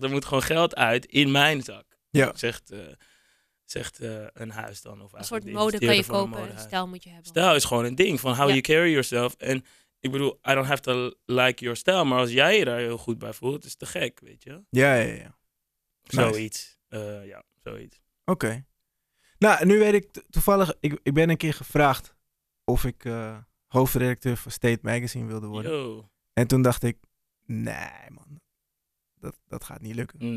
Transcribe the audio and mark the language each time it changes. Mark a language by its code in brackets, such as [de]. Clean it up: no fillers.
[nl] Er moet gewoon geld uit in mijn zak. Ja. Zegt een huis dan. Of een soort mode kan je kopen, stijl moet je hebben. Stijl is gewoon een ding van [en] how you carry yourself. [nl] En ik bedoel, [en] I don't have to like your style. [nl] Maar als jij je daar heel goed bij voelt, is het te gek, weet je. Ja. Zoiets. Oké. Okay. Nou, nu weet ik toevallig, ik ben een keer gevraagd of ik hoofdredacteur van State Magazine wilde worden. Yo. En toen dacht ik, nee man, dat gaat niet lukken.